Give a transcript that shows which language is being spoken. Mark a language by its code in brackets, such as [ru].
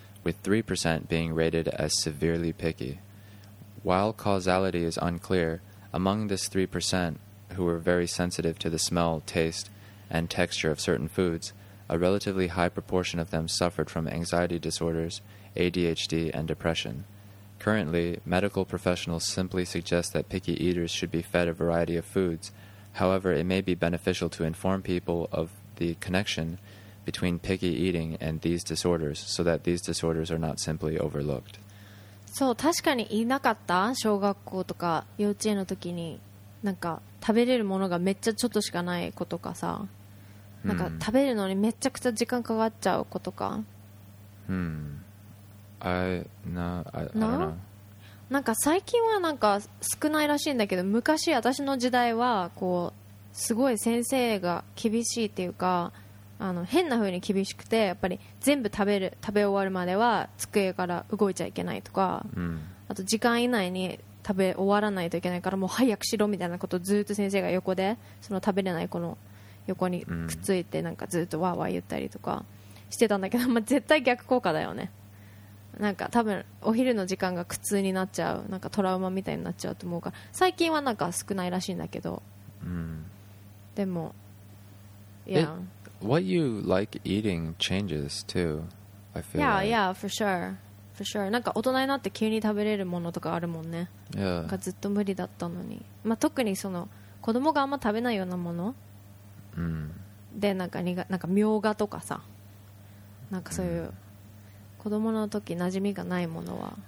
[en] With 3% being rated as severely picky. While causality is unclear, among this 3% who were very sensitive to the smell, taste, and texture of certain foods, a relatively high proportion of them suffered from anxiety disorders, ADHD, and depression. Currently, medical professionals simply suggest that picky eaters should be fed a variety of foods. However, it may be beneficial to inform people of the connectionBetween picky eating and these disorders, so that these disorders are not simply overlooked. [ja] そう、確かにいなかった。小学校とか幼稚園の時に、なんか食べれるものがめっちゃちょっとしかない子とかさ、なんか食べるのにめちゃくちゃ時間かかっちゃう子とか。 [en] I don't know. [ja] なんか最近はなんか少ないらしいんだけど、昔私の時代はこうすごい先生が厳しいっていうか。あの変な風に厳しくて、やっぱり全部食べ終わるまでは机から動いちゃいけないとか、うん、あと時間以内に食べ終わらないといけないから、もう早くしろみたいなことずっと先生が横で、その食べれない子の横にくっついて、なんかずっとわーわー言ったりとかしてたんだけど、まあ、絶対逆効果だよね。なんか多分お昼の時間が苦痛になっちゃう、なんかトラウマみたいになっちゃうと思うから、最近はなんか少ないらしいんだけど、うん、でもいや、 [en] What you like eating changes too, I feel. Yeah,、 like. yeah, for sure. For sure. [ja] なんか大人になって急に食べれるものとかあるもんね。 [en] Yeah. [ja] なんかずっと無理だったのに。まあ、特にその子供があんま食べないようなもの、 mm. でなんかなんかみょうがとかさ。なんかそういう子供の時馴染みがないものは。